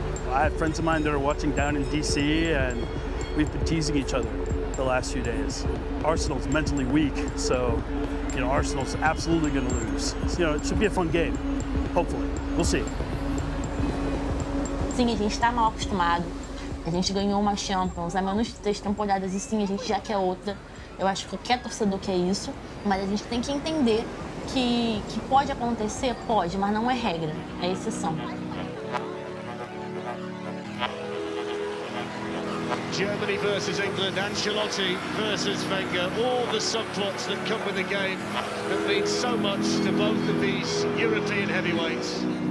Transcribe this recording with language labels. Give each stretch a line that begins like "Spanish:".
English: I have friends of mine that are watching down in DC and we've been teasing each other the last few days. Arsenal's mentally weak, so you know Arsenal's absolutely going to lose. So, you know, it should be a fun game. Hopefully, we'll see.
Portuguese: Sim, a gente está mal acostumado. A gente ganhou uma Champions, ao menos 3 temporadas, e sim, a gente já quer outra. Eu acho que qualquer torcedor quer isso, mas a gente tem que entender que pode acontecer, pode, mas não é regra, é exceção.
English: Germany versus England, Ancelotti versus Wenger, all the subplots that come with the game that mean so much to both of these European heavyweights.